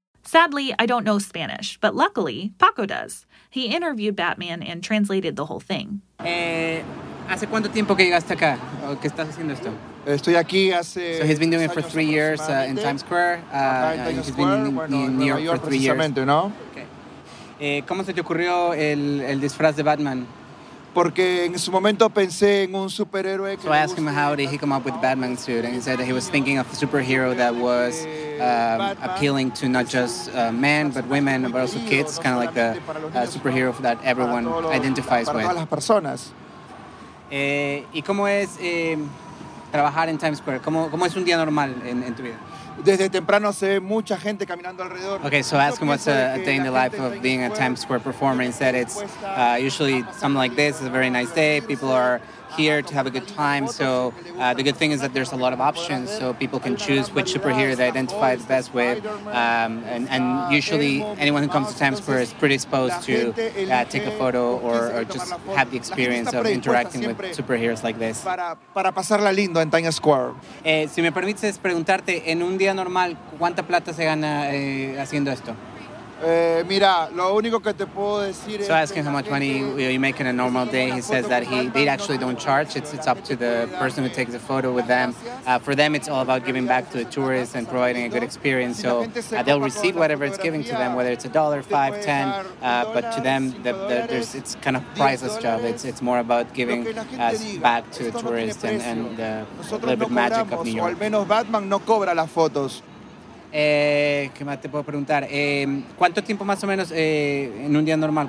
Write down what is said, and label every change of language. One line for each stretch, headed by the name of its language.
English: Sadly, I don't know Spanish, but luckily, Paco does. He interviewed Batman and translated the whole thing.
Spanish: ¿Hace cuánto tiempo que llegaste acá? ¿O que estás haciendo esto? Estoy aquí hace...
English: So he's been doing it for 3 years in Times Square. He's been in New York for 3 years.
Spanish: Precisamente, ¿no? Okay. ¿Cómo se te ocurrió el disfraz de Batman? Porque en su momento pensé en un superhéroe que...
English: So I asked him how did he come up with the Batman suit, and he said that he was thinking of a superhero that was appealing to not just men, but women, but also kids, kind of like the superhero that everyone identifies with.
Spanish: Para todas las personas. ¿Y cómo es trabajar en Times Square? ¿Cómo es un día normal en tu vida? Desde temprano se ve mucha gente caminando alrededor.
English: Okay, so ask him what's a day in the life of being a Times Square performer. He said it's usually something like this. It's a very nice day. People are here to have a good time. So the good thing is that there's a lot of options, so people can choose which superhero they identify the best with. And usually anyone who comes to Times Square is predisposed to take a photo or just have the experience of interacting with superheroes like this.
Spanish: Para pasarla lindo en Times Square. Si me permites preguntarte, en un día normal, ¿cuánta plata se gana haciendo esto? Mira, lo único que te puedo decir es... So asking how much money you make in a normal day, he says that they actually don't charge. It's up to the person who takes a photo with them. For them, it's all about giving back to the tourists and providing a good experience. So they'll receive whatever it's giving to them, whether it's a dollar, five, ten. But to them, it's kind of priceless job. It's more about giving back to the tourists and the little bit magic of New York. Al menos Batman no cobra las fotos. ¿Qué más te puedo preguntar? ¿Cuánto tiempo más o menos en un día normal?